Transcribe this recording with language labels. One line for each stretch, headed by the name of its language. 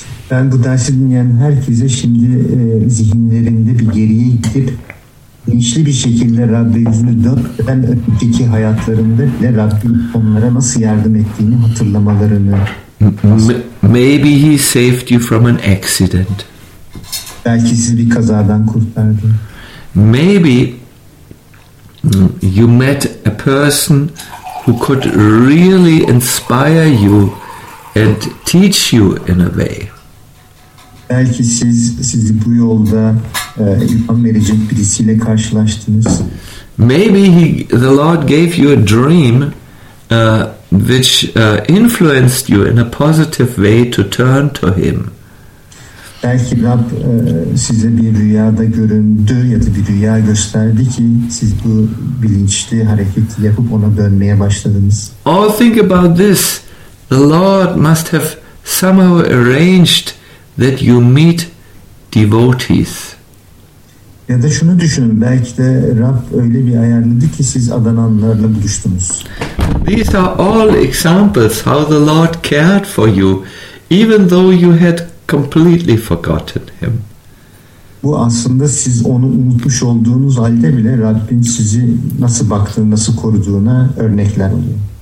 Turkish: Ben bu dersi dinleyen herkese şimdi zihinlerinde bir geriye gidip İnçli bir şekilde Rabbin yüzünü dönmeden önceki hayatlarında bile Rabbin onlara nasıl yardım ettiğini hatırlamalarını.
English: Maybe he saved you from an accident.
Turkish: Belki sizi bir kazadan kurtardı.
English: Maybe you met a person who could really inspire you and teach you in a way.
Turkish: Belki sizi bu yolda ilham verecek birisiyle karşılaştınız.
English: Maybe the Lord gave you a dream which influenced you in a positive way to turn to Him.
Turkish: Belki Rab size bir rüyada göründü ya da bir rüya gösterdi ki siz bu bilinçli hareketi yapıp ona dönmeye başladınız.
English: All think about this. The Lord must have somehow arranged that you meet devotees.
Turkish: Ya da şunu düşünün, belki de Rab öyle bir ayarladı ki siz adananlarla buluştunuz.
English: These are all examples how the Lord cared for you, even though you had completely forgotten him.
Turkish: Bu aslında siz onu unutmuş olduğunuz halde bile Rabbin sizi nasıl baktığını, nasıl koruduğuna örnekler oluyor.